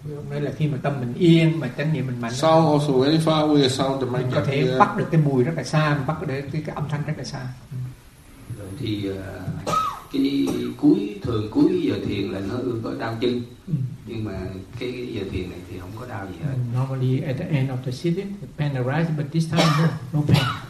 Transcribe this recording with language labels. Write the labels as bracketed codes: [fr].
[vi] Nên là khi mà tâm mình yên mà chánh niệm mình mạnh, [en] sound also very far away, sound the mind [vi] có thể [en] here. [vi] Bắt được cái mùi rất là xa, bắt được cái âm thanh rất là xa. Rồi thì cái cuối thường cuối giờ thiền là nó có đau chân, nhưng mà cái giờ thiền này thì không có đau gì hết. [en] Normally at the end of the sitting, the pain arises, but this time no pain.